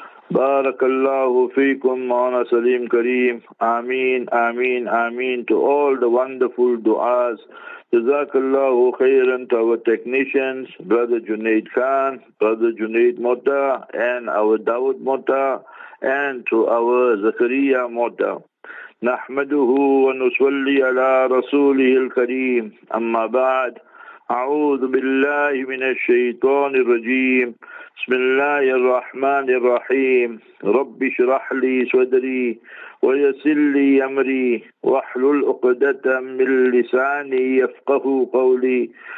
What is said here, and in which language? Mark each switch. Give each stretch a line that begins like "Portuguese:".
Arabic: بارك الله فيكم مولانا سليم كريم. آمين آمين آمين
English: to all the wonderful du'as.
Arabic: جزاك الله خيرا
English: to our technicians, Brother Junaid Khan, Brother Junaid Mota, and our Dawood Mota, and to our Zakaria Mota.
Arabic: نحمده ونصلي على رسوله الكريم. أما بعد, أعوذ بالله من الشيطان الرجيم. بسم الله الرحمن الرحيم. رب اشرح لي صدري ويسر لي أمري واحلل عقدة من لساني يفقه قولي.